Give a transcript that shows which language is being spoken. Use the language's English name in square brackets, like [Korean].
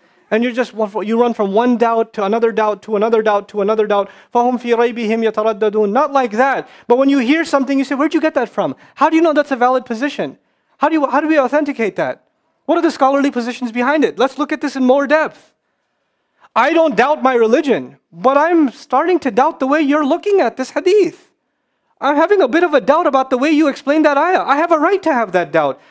[English] And you're just, you run from one doubt to another doubt to another doubt to another doubt. [Arabic] فَهُمْ فِي رَيْبِهِمْ يَتَرَدَّدُونَ [English] Not like that. But when you hear something, you say, where'd you get that from? How do you know that's a valid position? How do we authenticate that? What are the scholarly positions behind it? Let's look at this in more depth. I don't doubt my religion, but I'm starting to doubt the way you're looking at this hadith. I'm having a bit of a doubt about the way you explain that ayah. I have a right to have that doubt.